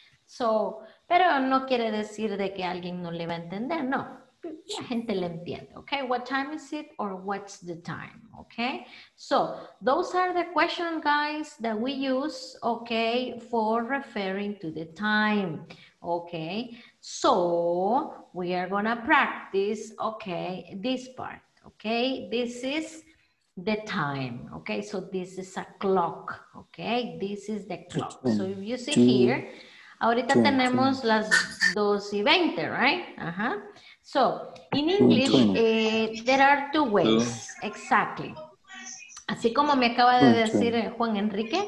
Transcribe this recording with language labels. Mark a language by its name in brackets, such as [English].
[Spanish] So, pero no quiere decir de que alguien no le va a entender, no. La gente le entiende, okay? [English] What time is it or what's the time, okay? So, those are the questions, guys, that we use, okay, for referring to the time, okay? So, we are gonna practice, okay, this part, okay? This is the time, okay? So, this is a clock, okay? This is the clock. So, if you see here, [Spanish] ahorita tenemos las 2:20, [English] right? Ajá. So, in English, there are two ways, exactly. [Spanish] Así como me acaba de decir Juan Enrique.